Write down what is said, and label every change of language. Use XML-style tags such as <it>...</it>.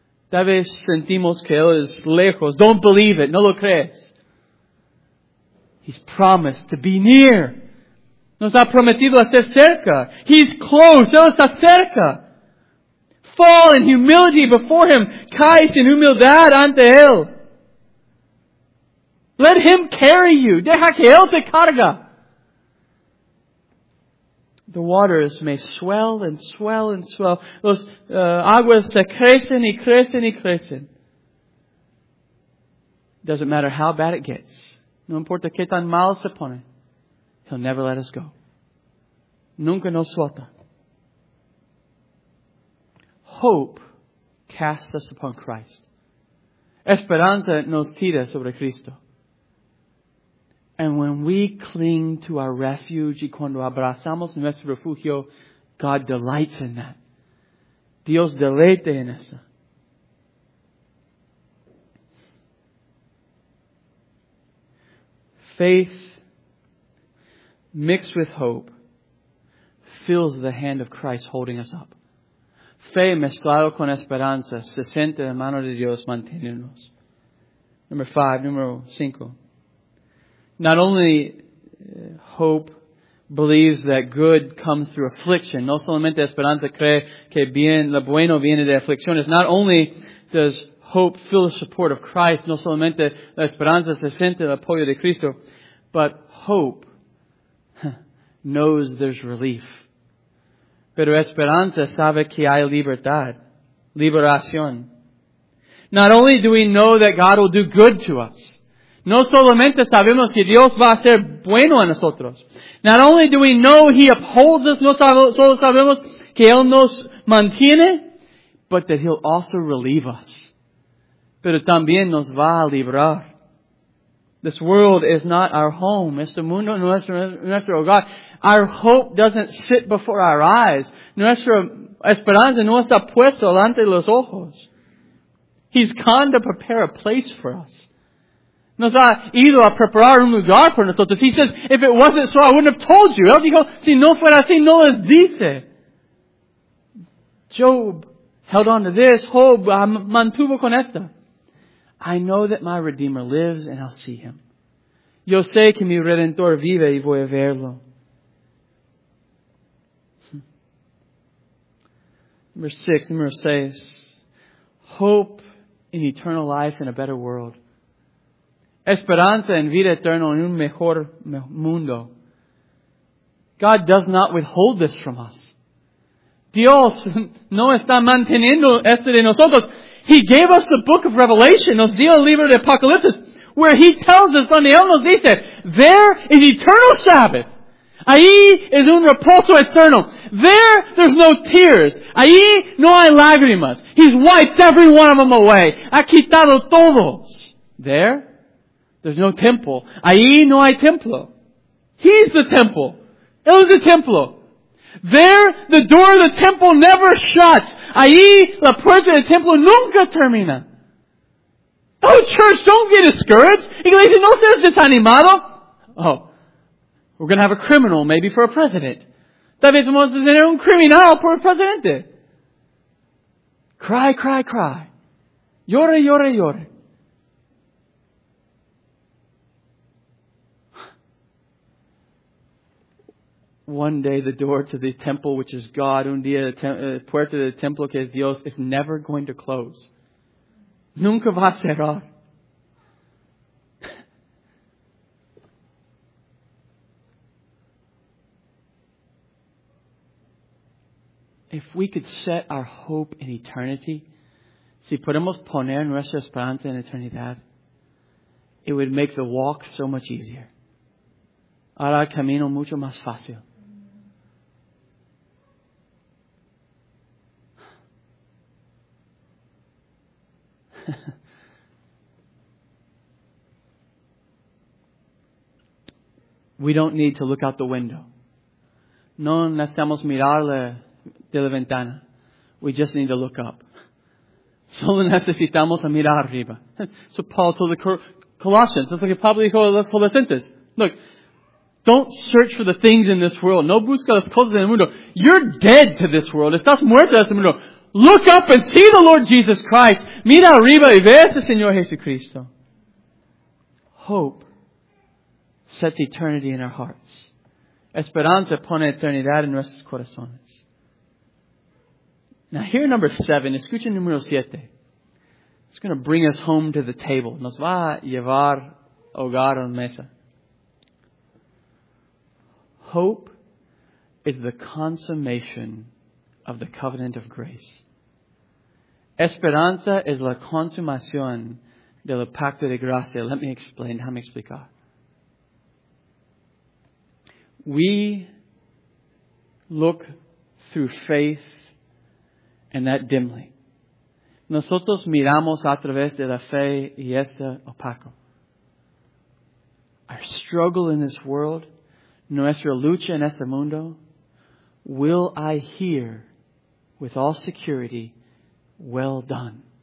<es>Tal vez sentimos que Él es lejos.</es> <en>Don't believe it.</en> <es>No lo crees.</es> <en>He's promised to be near.</en> <es>Nos ha prometido estar cerca.</es> <en>He's close.</en> <es>Él está cerca.</es> <en>Fall in humility before Him.</en> <es>Caes en humildad ante Él.</es> <en>Let Him carry you.</en> <es>Deja que Él te carga.</es> <en>The waters may swell and swell and swell.</en> <es>Los aguas se crecen y crecen y crecen.</es> <en>Doesn't matter how bad it gets.</en> <es>No importa qué tan mal se pone.</es> <en>He'll never let us go.</en> <es>Nunca nos suelta.</es> <en>Hope casts us upon Christ.</en> <es>Esperanza nos tira sobre Cristo.</es> <en>And when we cling to our refuge</en> <es>y cuando abrazamos nuestro refugio,</es> <en>God delights in that.</en> <es>Dios deleita en eso.</es> <en>Faith mixed with hope feels the hand of Christ holding us up.</en> <es>Fe mezclado con esperanza se siente la mano de Dios manteniéndonos. Número 5.</es> <en>Not only hope believes that good comes through affliction.</en> <es>No solamente esperanza cree que bien, lo bueno viene de aflicciones.</es> <en>Not only does hope feel the support of Christ.</en> <es>No solamente la esperanza se siente el apoyo de Cristo.</es> <en>But hope knows there's relief.</en> <es>Pero esperanza sabe que hay libertad. Liberación.</es> <en>Not only do we know that God will do good to us.</en> <es>No solamente sabemos que Dios va a ser bueno a nosotros.</es> <en>Not only do we know He upholds us.</en> <es>No solo sabemos que Él nos mantiene.</es> <en>But that He'll also relieve us.</en> <es>pero también nos va a librar.</es> <en>This world is not our home.</en> <es>Este mundo no es nuestro hogar.</es> <en>Our hope doesn't sit before our eyes.</en> <es>Nuestra esperanza no está puesta delante de los ojos.</es> <en>He's come to prepare a place for us.</en> <es>Nos ha ido a preparar un lugar para nosotros.</es> <en>He says, if it wasn't so, I wouldn't have told you.</en> <es>Él dijo, si no fuera así, no les dice.</es> <en>Job held on to this.</en> <es>Job mantuvo con esta.</es> <en>I know that my Redeemer lives and I'll see him.</en> <es>Yo sé que mi Redentor vive y voy a verlo.</es> <en>Number six, number</en> <es>seis.</es> <en>Hope in eternal life in a better world.</en> <es>Esperanza en vida eterna en un mejor mundo.</es> <en>God does not withhold this from us.</en> <es>Dios no está manteniendo esto de nosotros.</es> <en>He gave us the book of Revelation,</en> <es>nos dio el libro de Apocalipsis,</es> <en>where He tells us,</en> <es>donde Él nos dice,</es> <en>there is eternal Sabbath.</en> <es>Ahí es un reposo eterno.</es> <en>There's no tears.</en> <es>Ahí no hay lágrimas.</es> <en>He's wiped every one of them away.</en> <es>Ha quitado todos.</es> <en>There's no temple.</en> <es>Ahí no hay templo.</es> <en>He's the temple.</en> <es>Él es el templo.</es> <en>There, the door of the temple never shuts.</en> <es>Ahí, la puerta del templo nunca termina.</es> <en>Oh, church, don't get discouraged.</en> <es>Iglesia, no seas desanimado.</es> <en>Oh, we're going to have a criminal, maybe for a president.</en> <es>Tal vez vamos a tener un criminal por el presidente.</es> <en>Cry, cry, cry.</en> <es>Llore, llore, llore.</es> <en>One day the door to the temple, which is God,</en> <es>un día puerta del templo que es Dios,</es> <en>is never going to close.</en> <es>Nunca va a cerrar.</es> <en>If we could set our hope in eternity,</en> <es>si podemos poner nuestra esperanza en eternidad,</es> <en>it would make the walk so much easier.</en> <es>Hará el camino mucho más fácil.</es> <en>We don't need to look out the window.</en> <es>No necesitamos mirar de la ventana.</es> <en>We just need to look up.</en> <es>Solo necesitamos mirar arriba.</es> <en>So Paul told the Colossians,</en> <es>it's like Pablo dijo a los Colosenses,</es> <en>look, don't search for the things in this world.</en> <es>No busca las cosas en el mundo.</es> <en>You're dead to this world.</en> <es>Estás muerto a este mundo.</es> <en>Look up and see the Lord Jesus Christ.</en> <es>Mira arriba y ve al Señor Jesucristo.</es> <en>Hope sets eternity in our hearts.</en> <es>Esperanza pone eternidad en nuestros corazones.</es> <en>Now here number seven.</en> <es>Escucha número siete.</es> <en>It's going to bring us home to the table.</en> <es>Nos va a llevar hogar a la mesa.</es> <en>Hope is the consummation of the covenant of grace.</en> <es>Esperanza es la consumación del pacto de gracia.</es> <en>Let me explain. Let me</en> <es>explicar.</es> <en>We look through faith and that dimly.</en> <es>Nosotros miramos a través de la fe y este opaco.</es> <en>Our struggle in this world,</en> <es>nuestra lucha en este mundo,</es> <en>will I hear with all security, well done.</en>